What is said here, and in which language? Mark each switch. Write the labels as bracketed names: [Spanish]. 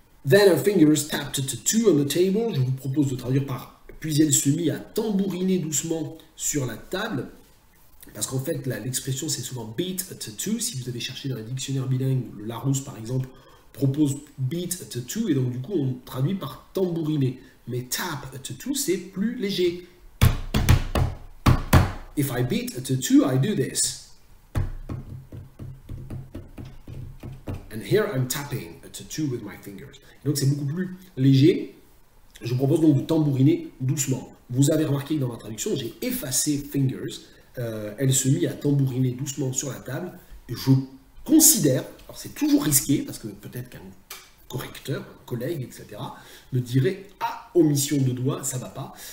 [English] Then her fingers tapped to two on the table, [French] je vous propose de traduire par puis elle se mit à tambouriner doucement sur la table. Parce qu'en fait, l'expression c'est souvent beat a tattoo. Si vous avez cherché dans les dictionnaires bilingues, le Larousse par exemple propose beat a tattoo et donc du coup on traduit par tambouriner. Mais tap a tattoo c'est plus léger. [English] If I beat a tattoo, I do this. And here I'm tapping a tattoo with my fingers. [French] Donc c'est beaucoup plus léger. Je vous propose donc de tambouriner doucement. Vous avez remarqué que dans ma traduction, j'ai effacé fingers. Elle se mit à tambouriner doucement sur la table. Je considère, alors c'est toujours risqué, parce que peut-être qu'un correcteur, un collègue, etc., me dirait, ah, omission de doigt, ça va pas.